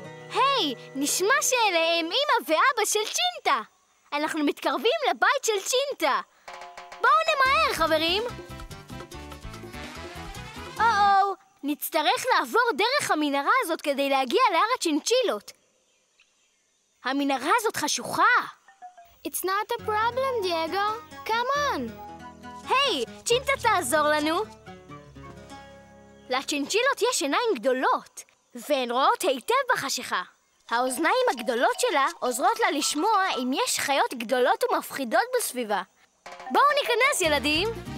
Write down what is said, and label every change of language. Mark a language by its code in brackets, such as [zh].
[he] היי, נשמע שאלה הם אמא ואבא של צ'ינטה! אנחנו מתקרבים לבית של צ'ינטה! בואו נמהר, חברים! או-או, נצטרך לעבור דרך המנהרה הזאת כדי להגיע להר הצ'ינצ'ילות! המנהרה הזאת חשוכה! [en] It's not a problem, דיאגו! Come on! [he] היי, צ'ינטה תעזור לנו! לצ'ינצ'ילות יש עיניים גדולות, והן רואות היטב בחשיכה. האוזניים הגדולות שלה עוזרות לה לשמוע אם יש חיות גדולות ומפחידות בסביבה. בואו ניכנס, ילדים!